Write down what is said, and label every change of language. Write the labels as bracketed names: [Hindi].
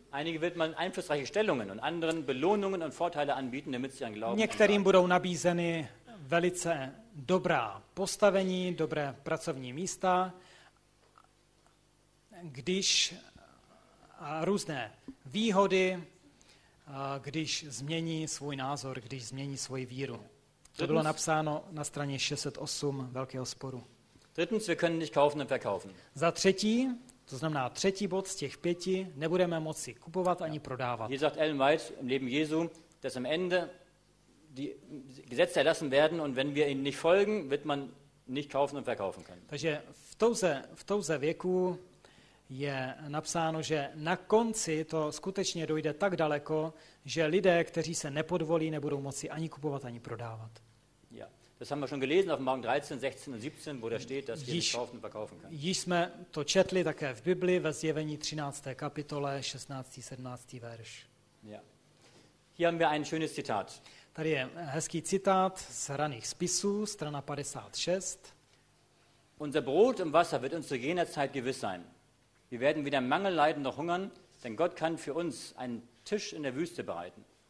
[German] Einige wird man einflussreiche Stellungen und anderen Belohnungen und Vorteile anbieten, damit sie an Glauben. [Czech] Některým budou nabízeny velice dobrá postavení, dobré pracovní místa, když a různé výhody, když změní svůj názor, když změní svoji víru. To bylo napsáno na straně 608 Velkého sporu. [German] Drittens, wir können nicht kaufen und verkaufen. [Czech] Za třetí, to znamená třetí bod z těch pěti, nebudeme moci kupovat ani prodávat. [German] Hier sagt Ellen White im Leben Jesu, dass am Ende die Gesetze erlassen werden und wenn wir ihnen nicht folgen, wird man nicht kaufen und verkaufen können. [Czech] Takže v touze věku je napsáno, že na konci to skutečně dojde tak daleko, že lidé, kteří se nepodvolí, nebudou moci ani kupovat, ani prodávat. [German] Ja. Das haben wir schon gelesen auf Offenbarung 13, 16 und 17, wo da steht, dass wir nicht kaufen und verkaufen können. [Czech] Již jsme to četli také v Bibli ve Zjevení 13. kapitole 16. 17. verš. [German] Ja. Hier haben wir ein schönes Zitat. [Czech] Tady je hezký citát z raných spisů, strana 56. [German] Unser Brot und Wasser wird uns zu jener Zeit gewiss sein. Wir werden weder Mangel leiden noch hungern, denn Gott kann für uns einen Tisch in der Wüste bereiten.